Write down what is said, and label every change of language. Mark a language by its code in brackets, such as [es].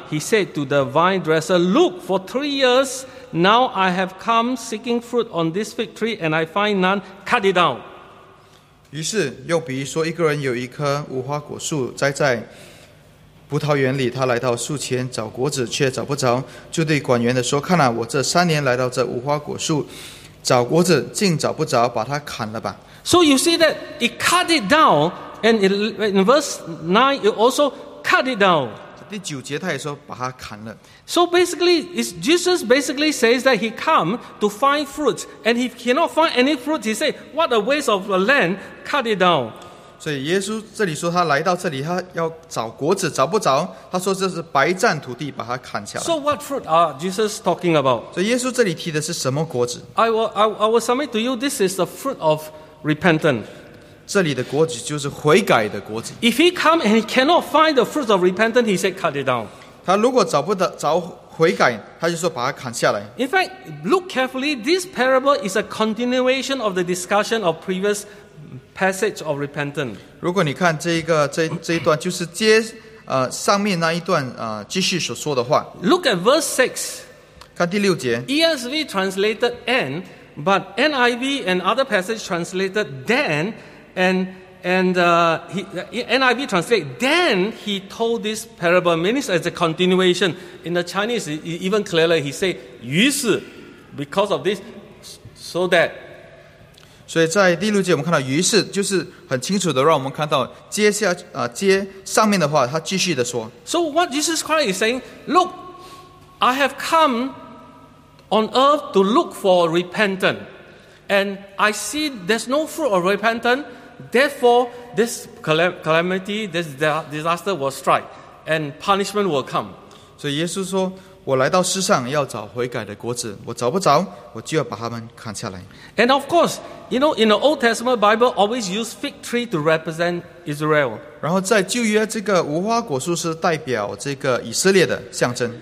[en] He said to the vine dresser, "Look, for 3 years now I have come seeking fruit on this fig tree, and I find none. Cut it down." [zh] 于是又比喻说，一个人有一棵无花果树栽在葡萄园里，他来到树前找果子，却找不着，就对管园的说，看啊，我这三年来到这无花果树找果子，竟找不着，把它砍了吧。 [en] So you see that it cut it down, and in verse 9, it also. Cut it down. [zh] 第九节他也说把它砍了。 [en] So basically, Jesus basically says that he come to find fruit, and he cannot find any fruit. He said, "What a waste of land! Cut it down." [zh] 所以耶稣这里说他来到这里，他要找果子，找不着。他说这是白占土地，把它砍下来。 [en] So what fruit are Jesus talking about? [zh] 所以耶稣这里提的是什么果子 [en] ？I will submit to you. This is the fruit of repentance. [zh] 这里的果子就是悔改的果子。 [en] If he come and he cannot find the fruits of repentance, he said, "Cut it down." [zh] 他如果找悔改，他就说把它砍下来。 [en] In fact, look carefully. This parable is a continuation of the discussion of previous passage of repentance. [zh] 如果你看这一段，就是接上面那一段继续所说的话。 [en] Look at verse 6. [zh] 看第六节。 [en] ESV translated "and," but NIV and other passage translated "then." And he NIV translate, then he told this parable, meaning as a continuation. In the Chinese, even clearly, he say, 于是, because of this, so that. [zh] 所以在第六节我们看到于是就是很清楚的让我们看到接上面的话他继续的说。 [en] So what Jesus Christ is saying, look, I have come on earth to look for repentance. And I see there's no fruit of repentance. Therefore, this calamity, this disaster will strike, and punishment will come. [zh] 所以耶稣说，我来到世上要找悔改的果子，我找不着，我就要把他们砍下来。 [en] And of course, you know, in the Old Testament Bible, always use fig tree to represent Israel. [zh] 然后在旧约，这个无花果树是代表这个以色列的象征。